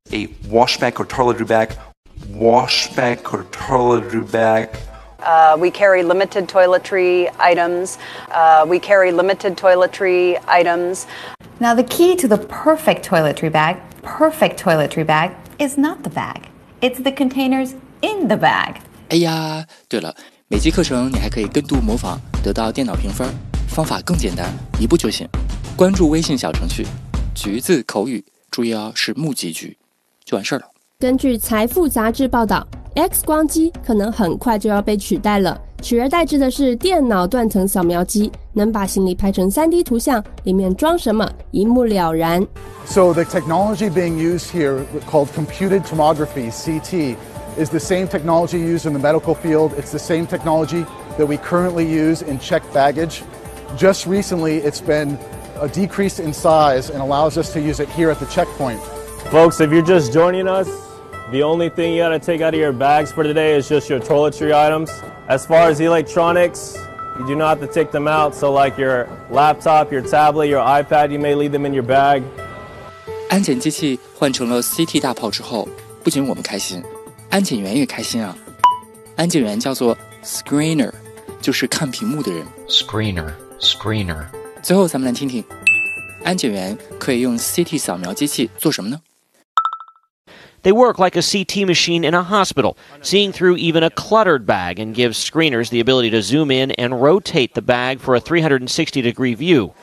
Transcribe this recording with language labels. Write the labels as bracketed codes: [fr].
[en] A wash bag or toiletry bag. Wash bag or toiletry bag. We carry limited toiletry items. We carry limited toiletry items Now the key to the perfect toiletry bag is not the bag, it's the containers in the bag. [zh] 哎呀，对了，每节课程你还可以跟读模仿，得到电脑评分，方法更简单，一步就行。关注微信小程序“橘子口语”，注意哦，是木吉橘，就完事儿了。根据《财富》杂志报道，X 光机可能很快就要被取代了，取而代之的是电脑断层扫描机，能把行李拍成 3D 图像，里面装什么一目了然。 [en] So the technology being used here called computed tomography, CT, is the same technology used in the medical field. It's the same technology that we currently use in checked baggage. Just recently it's been a decrease in size and allows us to use it here at the checkpoint. Folks, if you're just joining us, the only thing you gotta take out of your bags for today is just your toiletry items. As far as electronics, you do not have to take them out, so like your laptop, your tablet, your iPad, you may leave them in your bag. [zh] 安检机器换成了 CT 大炮之后，不仅我们开心，安检员也开心啊。安检员叫做 screener， 就是看屏幕的人。 [en] Screener。 [zh] 最后咱们来听听，安检员可以用 CT 扫描机器做什么呢？ [en] They work like a CT machine in a hospital, seeing through even a cluttered bag and give screeners the ability to zoom in and rotate the bag for a 360-degree view.